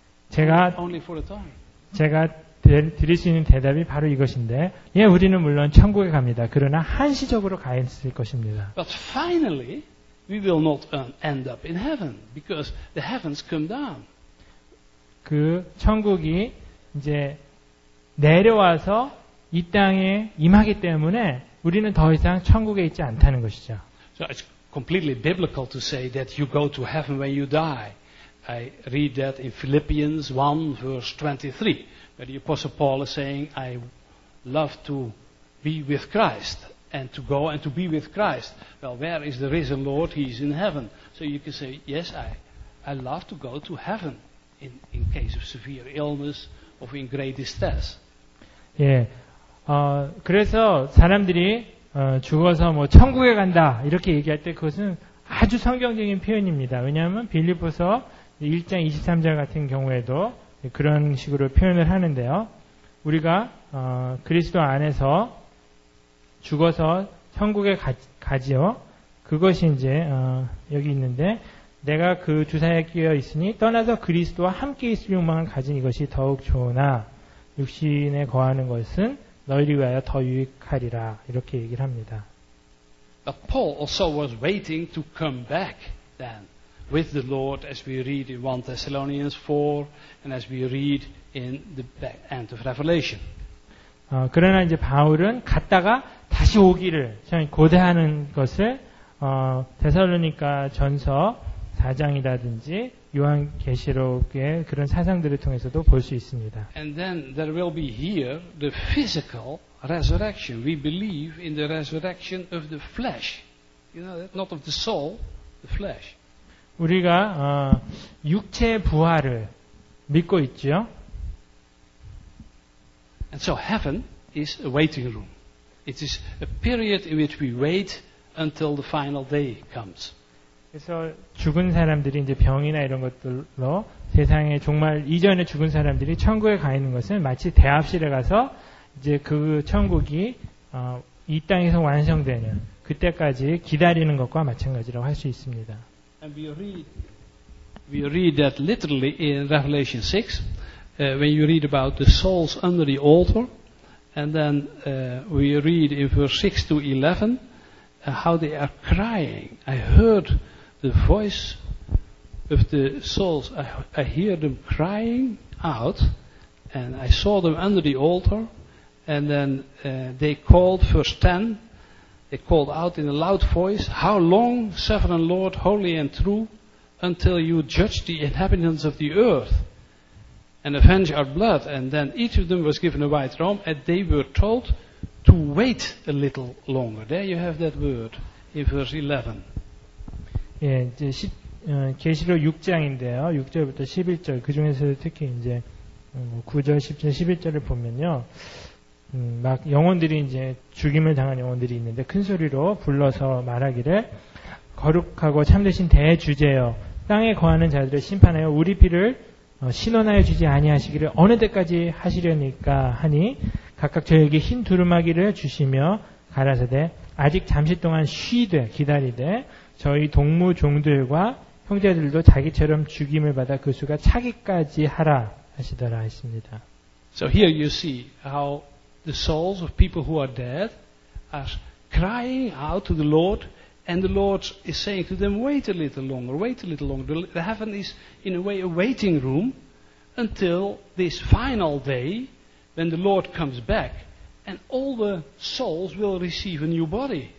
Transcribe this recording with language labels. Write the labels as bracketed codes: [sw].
[ko] 제가 [en] only for a time. [ko] 제가 드릴 수 있는 대답이 바로 이것인데, 예, 우리는 물론 천국에 갑니다. 그러나 한시적으로 가 있을 것입니다. [en] But finally, we will not end up in heaven because the heavens come down. [ko] 그 천국이 이제 내려와서 이 땅에 임하기 때문에 우리는 더 이상 천국에 있지 않다는 것이죠. [en] So it's completely biblical to say that you go to heaven when you die. I read that in Philippians 1 verse 23, where the Apostle Paul is saying, I love to be with Christ and to go and to be with Christ. Well, where is the risen Lord? He's in heaven. So you can say, yes, I love to go to heaven in case of severe illness or in great distress. [ko] 예, 그래서 사람들이 죽어서 뭐 천국에 간다 이렇게 얘기할 때 그것은 아주 성경적인 표현입니다. 왜냐하면 빌립보서 1장 23절 같은 경우에도 그런 식으로 표현을 하는데요. 우리가 그리스도 안에서 죽어서 천국에 가지요. 그것이 이제 여기 있는데 내가 그 주사에 끼어 있으니 떠나서 그리스도와 함께 있을 욕망을 가진 이것이 더욱 좋으나 육신에 거하는 것은 너희를 위하여 더 유익하리라 이렇게 얘기를 합니다. [en] But Paul also was waiting to come back then with the Lord as we read in 1 Thessalonians 4 and as we read in the end of Revelation. [ko] 그러나 이제 바울은 갔다가 다시 오기를 고대하는 것을 데살로니가 전서 4장이라든지 요한계시록의 그런 사상들을 통해서도 볼 수 있습니다. [en] And then there will be here the physical resurrection. We believe in the resurrection of the flesh. You know, not of the soul, the flesh. [ko] 우리가 육체의 부활을 믿고 있죠. [en] And so heaven is a waiting room. It is a period in which we wait until the final day comes. [ko] 그래서 죽은 사람들이 이제 병이나 이런 것들로 세상에 종말 이전에 죽은 사람들이 천국에 가 있는 것은 마치 대합실에 가서 이제 그 천국이 이 땅에서 완성되는 그때까지 기다리는 것과 마찬가지라고 할 수 있습니다. [en] And we read that literally in Revelation 6 when you read about the souls under the altar and then we read in verse 6 to 11 how they are crying. I heard the voice of the souls. I hear them crying out, and I saw them under the altar, and then they called, verse 10, they called out in a loud voice, How long, sovereign Lord, holy and true, until you judge the inhabitants of the earth and avenge our blood? And then each of them was given a white robe, and they were told to wait a little longer. There you have that word in verse 11. [ko] 예, 이제 계시록 6장인데요. 6절부터 11절 그 중에서 특히 이제 9절, 10절, 11절을 보면요. 막 영혼들이 이제 죽임을 당한 영혼들이 있는데 큰 소리로 불러서 말하기를 거룩하고 참되신 대주제여 땅에 거하는 자들을 심판하여 우리 피를 신원하여 주지 아니하시기를 어느 때까지 하시려니까 하니 각각 저에게 흰 두루마기를 주시며 가라사대 아직 잠시 동안 쉬되 기다리되 저희 동무 종들과 형제들도 자기처럼 죽임을 받아 그 수가 차기까지 하라 하시더라 하십니다. [en] So here you see how the souls of people who are dead are crying out to the Lord, and the Lord is saying to them, wait a little longer, wait a little longer. The heaven is in a way a waiting room until this final day when the Lord comes back and all the souls will receive a new body.